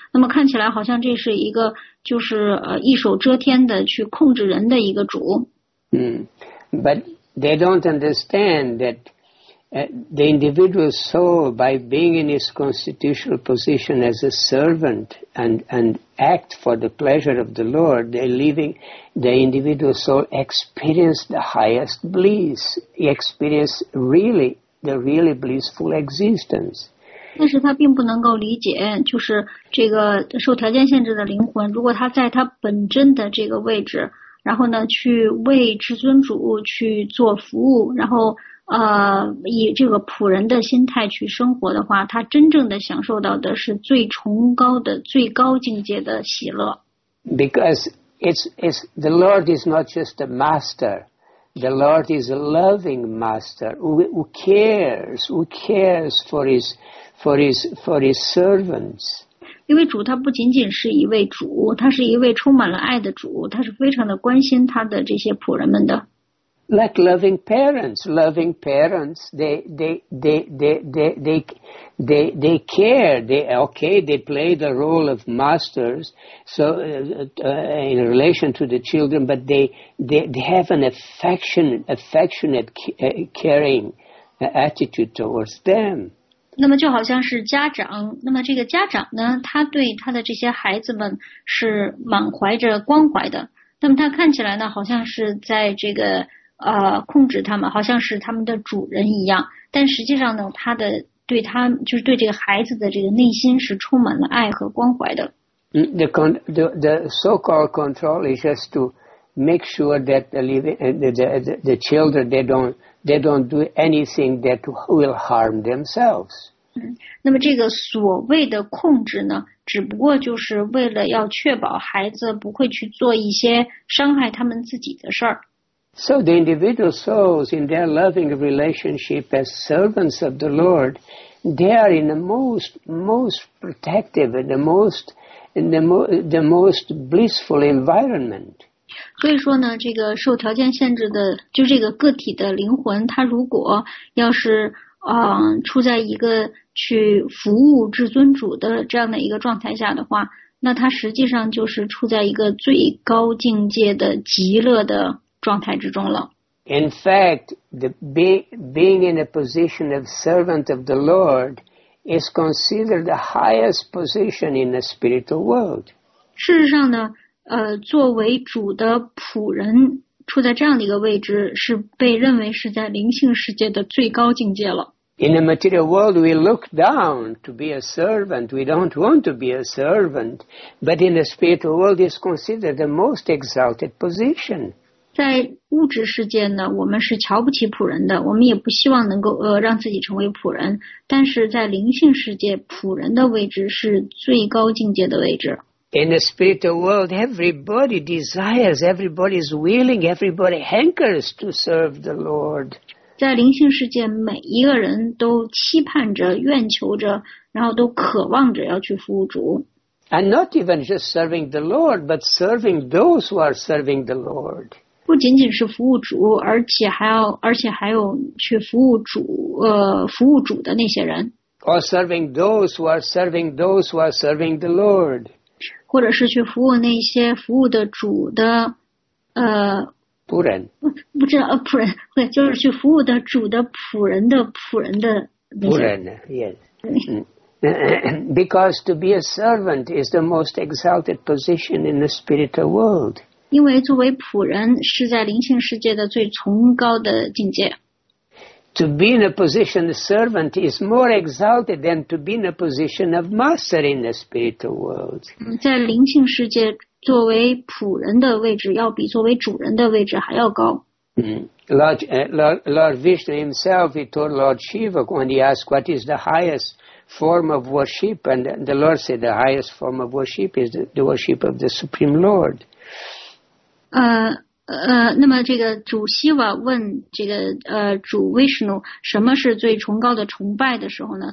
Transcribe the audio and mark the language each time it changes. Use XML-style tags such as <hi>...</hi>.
<zh>那么看起来好像这是一个就是一手遮天的去控制人的一个主。</zh> <en>But they don't understand that the individual soul, by being in his constitutional position as a servant and act for the pleasure of the Lord, the individual soul experiences the highest bliss. He experiences really the really blissful existence.</en> <zh>但是他并不能够理解，就是这个受条件限制的灵魂，如果他在他本真的这个位置，然后呢，去为至尊主去做服务，然后以这个仆人的心态去生活的话，他真正的享受到的是最崇高的、最高境界的喜乐。</zh> <en>Because it's the Lord is not just a master, the Lord is a loving master who cares for his servants.</en> <zh>因为主他不仅仅是一位主，他是一位充满了爱的主，他是非常的关心他的这些仆人们的。</zh> <en>Like loving parents, they care, they play the role of masters, in relation to the children, but they have an affectionate caring attitude towards them.</en> <zh>那么就好像是家长，那么这个家长呢，他对他的这些孩子们是满怀着关怀的。那么他看起来呢，好像是在这个控制他们，好像是他们的主人一样，但实际上呢，他的对他就是对这个孩子的这个内心是充满了爱和关怀的。</zh> <en>The so-called control is just to make sure that the children they don't do anything that will harm themselves.</en> <zh>那么这个所谓的控制呢，只不过就是为了要确保孩子不会去做一些伤害他们自己的事儿。</zh> <en>So the individual souls in their loving relationship as servants of the Lord, they are in the most protective and the most blissful environment.</en> <zh>所以说呢，这个受条件限制的，就这个个体的灵魂，他如果要是处在一个去服务至尊主的这样的一个状态下的话，那他实际上就是处在一个最高境界的极乐的状态之中了。</zh> <en>In fact, being in a position of servant of the Lord is considered the highest position in the spiritual world.</en> <zh>事实上呢，作为主的仆人，处在这样的一个位置，是被认为是在灵性世界的最高境界了。</zh> <en>In the material world, we look down to be a servant. We don't want to be a servant, but in the spiritual world, it's considered the most exalted position.</en> <zh>在物质世界呢，我们是瞧不起仆人的，我们也不希望能够让自己成为仆人。但是在灵性世界，仆人的位置是最高境界的位置。</zh> <en>In the spiritual world, everybody desires, everybody is willing, everybody hankers to serve the Lord.</en> <zh>在灵性世界，每一个人都期盼着、愿求着，然后都渴望着要去服务主。</zh> <en>And not even just serving the Lord, but serving those who are serving the Lord.</en> <zh>不仅仅是服务主，而且还有去服务主的那些人。</zh> <en>Or serving those who are serving those who are serving the Lord.</en> <zh>或者是去服务那些服务的主的仆人，不知道仆人，对，就是去服务的主的仆人的仆人的仆人 ，</zh> <en>yes. Because to be a servant is the most exalted position in the spiritual world.</en> <zh>因为作为仆人是在灵性世界的最崇高的境界。</zh> <en>To be in a position of servant is more exalted than to be in a position of master in the spiritual world.</en> <zh>在灵性世界，作为仆人的位置要比作为主人的位置还要高。</zh> <en>Lord Vishnu himself, he told Lord Shiva when he asked what is the highest form of worship, and the Lord said the highest form of worship is the worship of the Supreme Lord.</en> <zh>那么这个主希瓦问这个主 Vishnu 什么是最崇高的崇拜的时候呢？</zh>